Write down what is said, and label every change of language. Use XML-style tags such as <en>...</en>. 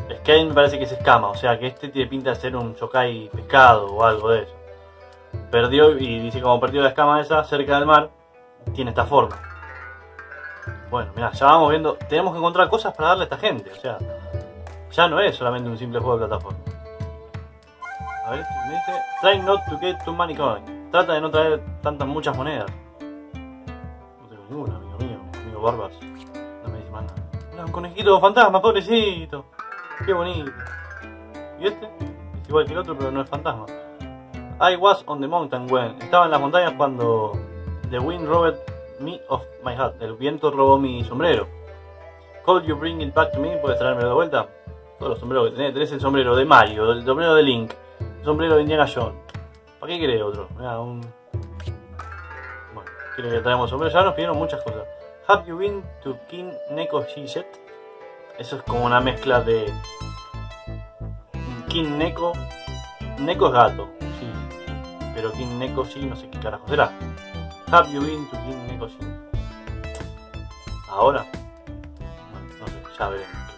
<es>Skein me parece que es escama, o sea que este tiene pinta de ser un yokai pescado o algo de eso. Perdió, y dice como perdió la escama esa cerca del mar, tiene esta forma. Bueno, mirá, ya vamos viendo, tenemos que encontrar cosas para darle a esta gente, o sea, ya no es solamente un simple juego de plataforma. A ver, me dice,</es> <en>try not to get too many coins.</en> <es>Trata de no traer tantas muchas monedas. No tengo ninguna, amigo mío, amigo Barbas. No me dice más nada. Un conejito fantasma, pobrecito. Qué bonito. ¿Y este? Es igual que el otro, pero no es fantasma.</es> <en>I was on the mountain when.</en> <es>Estaba en las montañas cuando.</es> <en>The wind robbed me of my hat.</en> <es>El viento robó mi sombrero.</es> <en>Could you bring it back to me?</en> <es>¿Puedes traérmelo de vuelta? Todos los sombreros que tenés. Tenés el sombrero de Mario, el sombrero de Link. Sombrero de Indiana Jones. ¿Para qué quiere otro? Mira, un. Bueno, quiere que traemos sombrero. Ya nos pidieron muchas cosas.</es> <en>Have you been to King Neko Shishet?</en> <es>Eso es como una mezcla de. King Neko. Neko es gato, sí. Pero King Neko sí, no sé qué carajo será.</es> <en>Have you been to King Neko Shishet?</en> <es>¿Ahora? Bueno, no sé, ya veremos.</es>